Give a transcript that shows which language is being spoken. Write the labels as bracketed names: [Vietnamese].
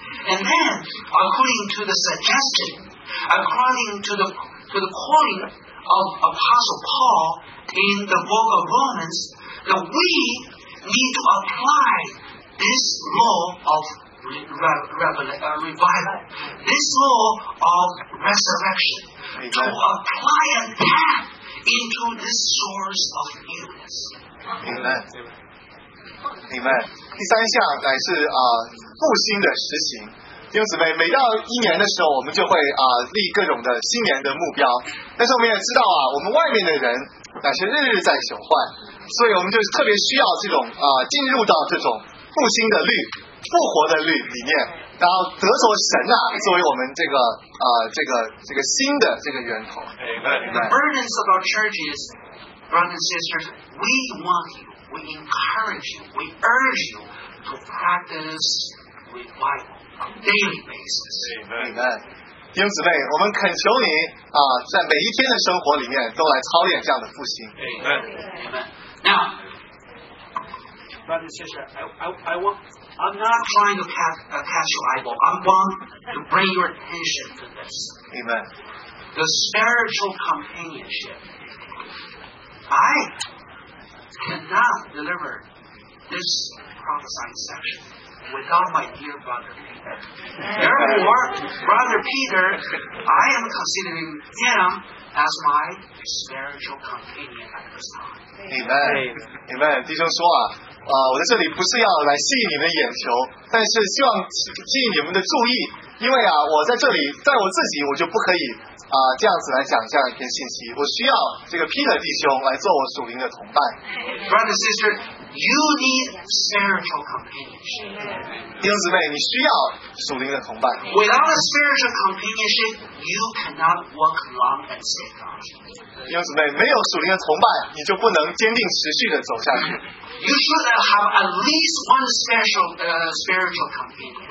[English] And then, according to the suggestion, according to the calling of Apostle Paul in the book of Romans, that we need to apply this law of revival, this law of resurrection, to apply a path into this source of newness. Amen. Amen. [Chinese] 第三项乃是复兴的实行。弟兄姊妹，每到一年的时候，我们就会立各种的新年的目标。但是我们也知道啊，我们外面的人乃是日日在朽坏，所以我们就特别需要这种进入到这种复兴的律、复活的律里面，然后得着神啊作为我们这个这个新的这个源头。 [English] Amen. The burdens of our churches, brothers and sisters, we want you. We encourage you, we urge you to practice revival on a daily basis. Amen. [Chinese] 弟兄姊妹，我们恳求你在每一天的生活里面都来操练这样的复兴。 [English] Amen. Amen. Now, brother and sister, I'm not trying to catch your eyeball. I want to bring your attention to this. Amen. The spiritual companionship. I... cannot deliver this prophesying section without my dear brother Peter. Therefore, brother Peter, I am considering him as my spiritual companion at this time. Amen. Amen. [Chinese] 弟兄说啊我在这里不是要来吸引你们的眼球，但是希望吸引你们的注意，因为啊，我在这里，在我自己，我就不可以这样子来讲这样一篇信息。我需要这个 Peter 弟兄来做我属灵的同伴。 [English] Brother, sister, you need spiritual companionship. [Chinese] 弟兄姊妹，你需要属灵的同伴。 [English] Without a spiritual companionship, you cannot walk long and stay long. [Chinese] 弟兄姊妹，没有属灵的崇拜，你就不能坚定持续的走下去。 [English] You should have at least one special spiritual companion.